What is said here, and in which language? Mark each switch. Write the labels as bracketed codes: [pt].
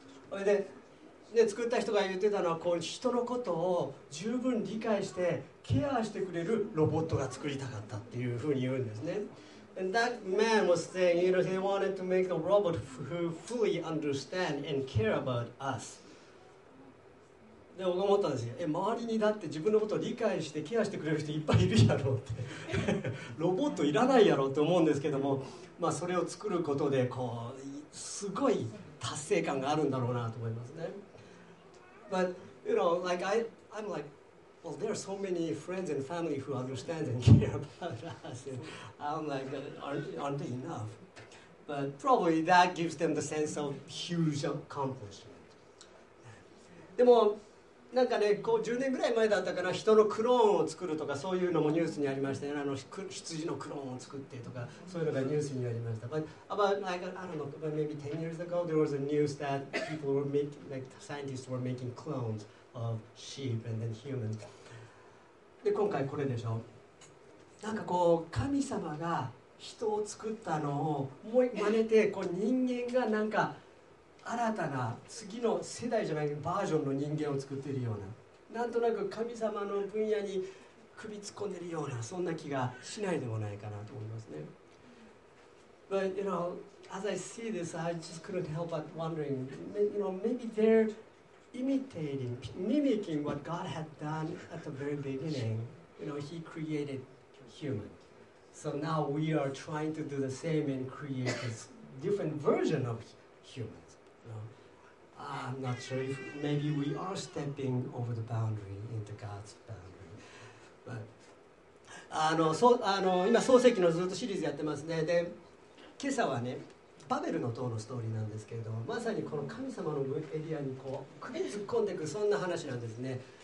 [ja] それで、ね、作った人が言ってたのはこう人のことを十分理解してケアしてくれるロボットが作りたかったっていうふうに言うんですね。 [en] And that man was saying, you know, he wanted to make a robot who fully understand and care about us. [ja] で、僕思ったんですよ。え、周りにだって自分のことを理解してケアしてくれる人いっぱいいるやろってロボットいらないやろって思うんですけども、まあ、それを作ることでこうすごい達成感があるんだろうなと思いますね。 [en] But, you know, like I'm likeWell, there are so many friends and family who understand and care about us. I'm like, aren't they enough? But probably that gives them the sense of huge accomplishment. [ja] でもなんかね、こう10年ぐらい前だったかな、人のクローンを作るとかそういうのもニュースにありましたね。あの羊のクローンを作ってとかそういうのがニュースにありました。 [en] But about like I don't know, but maybe 10 years ago, there was a news that people were making, like scientists were making clones. Of sheep and then human. [ja] で今回これでしょ。なんかこう神様が人を作ったのをもう真似てこう人間がなんか新たな次の世代じゃないバージョンの人間を作ってるような、なんとなく神様の分野に首突っ込んでるようなそんな気がしないでもないかなと思いますね。 [en] But you know, as I see this, I just couldn't help but wondering, you know, maybe they'reimitating, mimicking what God had done at the very beginning. You know, He created human. So now we are trying to do the same and create this different version of humans. You know, I'm not sure if maybe we are stepping over the boundary into God's boundary. [ja] But, あの、そう、あの、今創世記のずっとシリーズやってますね。で、今朝はね、バベルの塔のストーリーなんですけれども、まさにこの神様のエリアにこう首突っ込んでいくそんな話なんですね。